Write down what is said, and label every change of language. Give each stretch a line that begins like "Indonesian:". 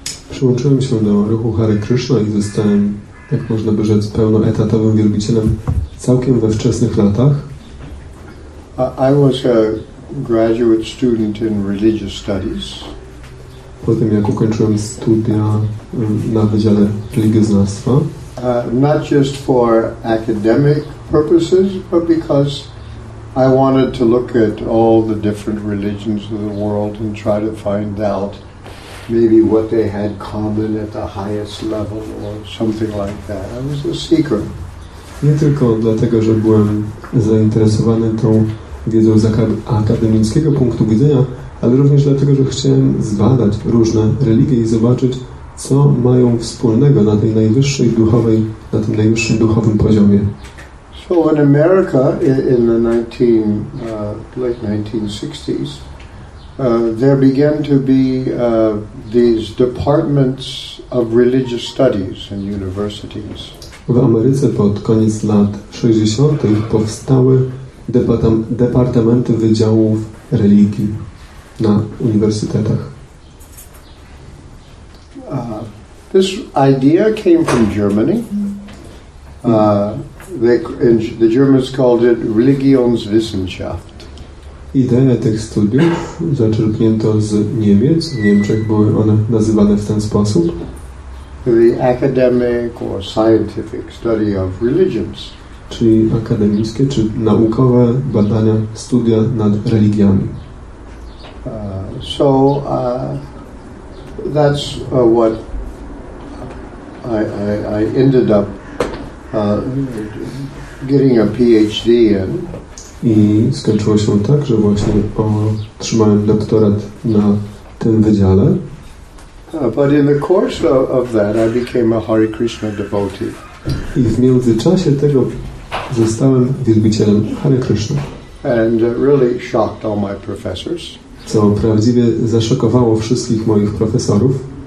Polish: Przyłączyłem się do ruchu Hare Krishna i zostałem, jak można by rzec, pełnoetatowym wielbicielem całkiem we wczesnych latach.
English: I was a graduate student in religious studies.
Polish: Po tym, jak ukończyłem studia na Wydziale Religioznawstwa.
English: Not just for academic purposes, but because I wanted to look at all the different religions of the world and try to find out maybe what they had common at the highest level or something like that. I was a seeker.
Polish: Nie tylko dlatego, że byłem zainteresowany tą wiedzą z akademickiego punktu widzenia, ale również dlatego, że chciałem zbadać różne religie i zobaczyć, co mają wspólnego na tej najwyższej duchowej, na tym najwyższym duchowym poziomie.
English: So in America in the late 1960s, there began to be these departments of religious studies in universities.
Polish: W Ameryce pod koniec lat 60. powstały departamenty wydziałów religii na uniwersytetach.
English: This idea came from Germany. The Germans called it Religionswissenschaft.
Polish: Idea tych studiów zaczerpnięto z Niemiec. W Niemczech były one nazywane w ten sposób.
English: The academic or scientific study of religions.
Polish: Czyli akademickie, czy naukowe badania, studia nad religiami.
English: So that's what I ended up getting a PhD in.
Polish: I skończyło się tak, że właśnie otrzymałem doktorat na tym wydziale.
English: But in the course of that, I became a Hare Krishna devotee.
Polish: I w międzyczasie tego zostałem wielbicielem Hare Krishna.
English: And really shocked all my professors.
Polish: Co prawdziwie zaszokowało wszystkich moich profesorów.